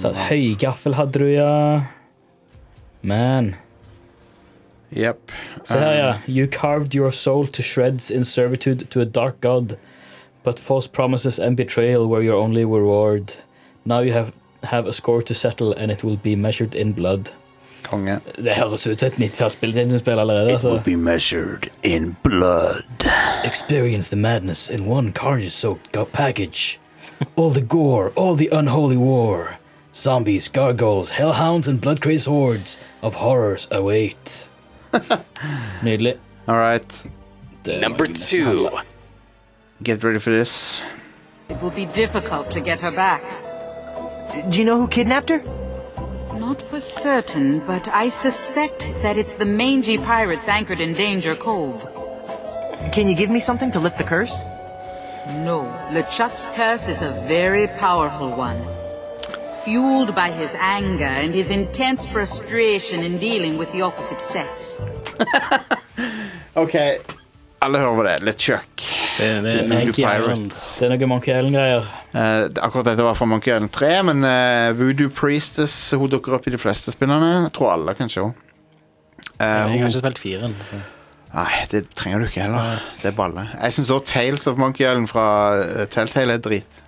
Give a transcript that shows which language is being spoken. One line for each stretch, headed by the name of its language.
Norwegian: Så høy gaffel hadde du, ja. Man. Yep. Så her, ja.
English: You carved your soul to shreds in servitude to a dark god, but false promises and betrayal were your only reward. Now you have a score to settle, and it will be measured in blood.
Norwegian: Konge. Det høres ut som et 90-tallsspill til en spill allerede.
English: It will be measured in blood. Experience the madness in one carnage-soaked package. All the gore, all the unholy war. Zombies, gargoyles, hellhounds, and blood-crazed hordes of horrors await.
Norwegian: Nydelig.
English: All right. Number two. Get ready for this. It will be difficult to get her back. Do you know who kidnapped her? Not for certain, but I suspect that it's the mangy pirates anchored in Danger Cove. Can you give me something to lift the curse? No, LeChuck's curse is a very powerful one. Fueled by his anger and his intense frustration in dealing with the opposite sex.
Norwegian: Okay, alle hører på det, LeChuck. Det er noen Monkey Island-greier. Akkurat dette var fra Monkey Island 3, men Voodoo Priestess, hun dukker opp i de fleste spillene. Jeg tror alle kan se. Jeg har ikke spilt 4-en, så... Nei, det trenger du ikke heller. Det er balle. Jeg synes også Tales of Monkey Island fra Telltale er drit.